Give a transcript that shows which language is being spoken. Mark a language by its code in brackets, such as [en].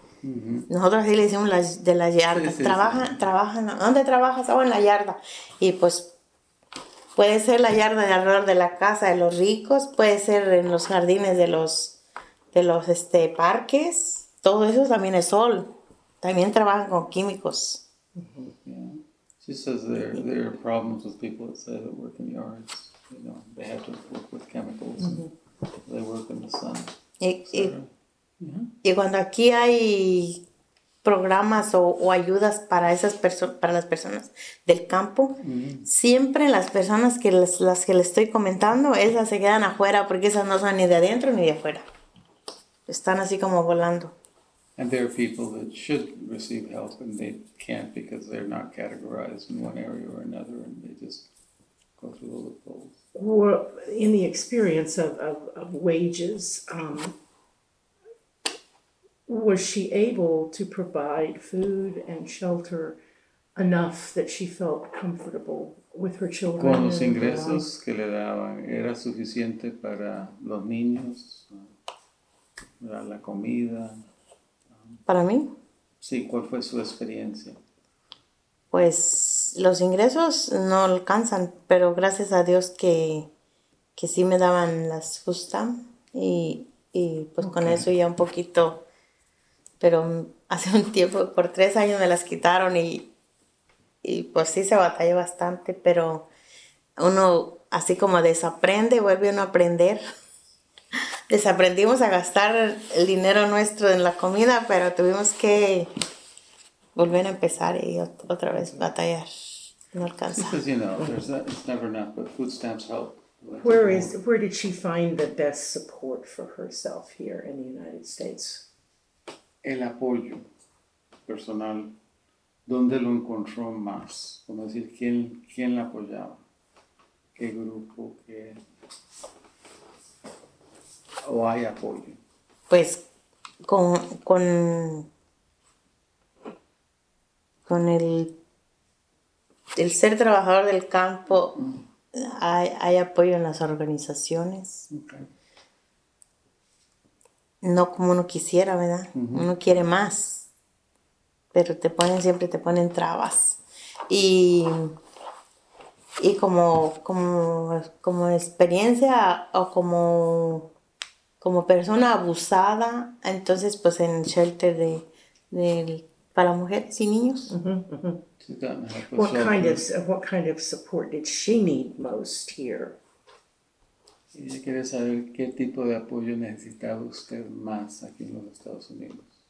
[es] Nosotros así le decimos de las yardas. Sí, sí, trabajan. ¿Dónde trabajas? Oh, en la yarda. Y pues puede ser la yarda de alrededor de la casa de los ricos, puede ser en los jardines de los parques. Todo eso también es sol. También trabajan con químicos. [en] Yeah. She says there are problems with people that say that work in yards. you know, they had to work with chemicals. Mm-hmm. They work in the sun. [es] Y cuando aquí hay programas o ayudas para esas para las personas del campo, mm-hmm, siempre las personas que las que les estoy comentando, esas se quedan afuera porque esas no son ni de adentro ni de afuera. Están así como volando. [en] And there are people that should receive help and they can't because they're not categorized in one area or another and they just go through the loopholes. Well, in the experience of wages, was she able to provide food and shelter enough that she felt comfortable with her children? [es] Con los ingresos que le daban, ¿era suficiente para los niños? ¿Era la comida? ¿Para mí? Sí, ¿cuál fue su experiencia? Pues los ingresos no alcanzan, pero gracias a Dios que sí me daban las justa y pues okay, con eso ya un poquito. Pero hace un tiempo, por 3 años me las quitaron y pues sí se batalló bastante, pero uno así como desaprende, vuelve uno a aprender. Desaprendimos a gastar el dinero nuestro en la comida, pero tuvimos que volver a empezar y otra vez batallar. No alcanza. [en] Just as you know, there's that, it's never enough, but food stamps help. Where did she find the best support for herself here in the United States? [es] El apoyo personal, ¿dónde lo encontró más? Como decir, ¿quién la apoyaba? ¿Qué grupo? ¿Qué? ¿O hay apoyo? Pues con el ser trabajador del campo, hay apoyo en las organizaciones. [en] Okay. [es] No como uno quisiera, ¿verdad? Uh-huh. Uno quiere más, pero siempre te ponen trabas. Y como experiencia o como persona abusada, entonces pues en shelter de para mujeres y niños. Mm-hmm. [en] What kind of support did she need most here? [es] Ella quiere saber qué tipo de apoyo necesitaba usted más aquí en los Estados Unidos.